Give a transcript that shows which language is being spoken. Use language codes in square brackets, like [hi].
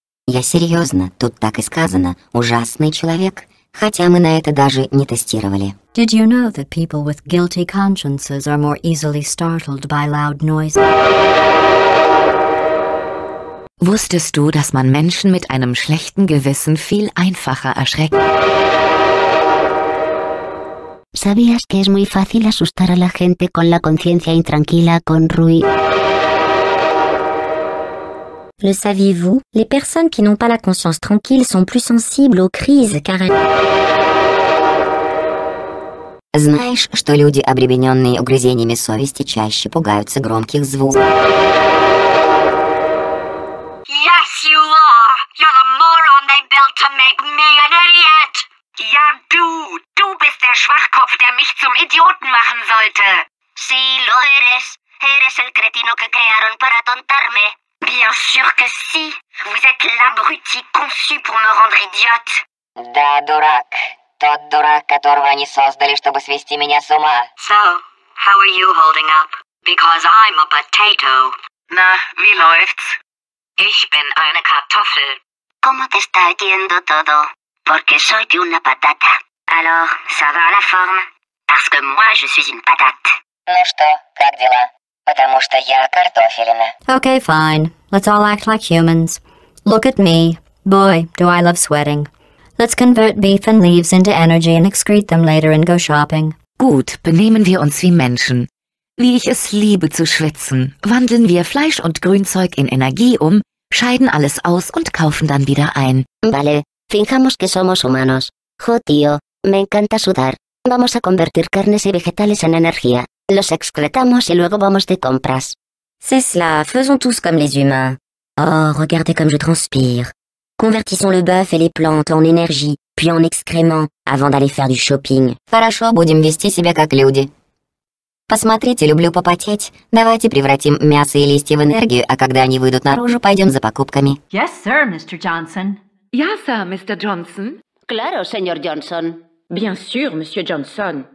[ru] Я серьезно, тут так и сказано. Ужасный человек. Хотя мы на это даже не тестировали. [en] Did you know that people with guilty consciences are more easily startled by loud noises? [de] Wusstest du, dass man Menschen mit einem schlechten Gewissen viel einfacher erschreckt? [es] ¿Sabías que es muy fácil asustar a la gente con la conciencia intranquila con Rui? [fr] Le saviez-vous? Les personnes qui n'ont pas la conscience tranquille sont plus sensibles aux crises car elles... [ru] Знаешь, что люди, обременённые угрызениями совести, чаще пугаются громких звуков? [en] Yes, you are! You're the moron they built to make me an idiot! [de] Ja, du bist der Schwachkopf, der mich zum Idioten machen sollte! [es] Sí, lo eres. Eres el cretino que crearon para tontarme. [fr] Bien sûr que si! Vous êtes l'abruti conçu pour me rendre idiote! [ru] Да, дурак. Тот дурак, которого они создали, чтобы свести меня с ума. [en] So, how are you holding up? Because I'm a potato. [de] Na, wie läuft's? Ich bin eine Kartoffel. [es] ¿Cómo te está yendo todo? Porque soy de una patata. [fr] Alors, ça va la forme? Parce que moi, je suis une patate. [ru] Ну что, как дела? Потому что я картофелина. [en] Okay, fine. Let's all act like humans. Look at me. Boy, do I love sweating. Let's convert beef and leaves into energy and excrete them later and go shopping. [de] Gut, benehmen wir uns wie Menschen. Wie ich es liebe zu schwitzen. Wandeln wir Fleisch und Grünzeug in Energie um, scheiden alles aus und kaufen dann wieder ein. [es] Vale, fingamos que somos humanos. Jo, tío, me encanta sudar. Vamos a convertir carnes y vegetales en energía. Los excretamos y luego vamos de compras. [fr] C'est cela, faisons tous comme les humains. Oh, regardez comme je transpire. Convertissons le bœuf et les plantes en énergie, puis en excréments, avant d'aller faire du shopping. [ru] Хорошо, будем вести себя как люди. Посмотрите, люблю попотеть. Давайте превратим мясо и листья в энергию, а когда они выйдут наружу, пойдем за покупками. [en] Yes, sir, Mr. Johnson. Yes, sir, Mr. Johnson. [es] Claro, señor Johnson. [fr] Bien sûr, Monsieur Johnson.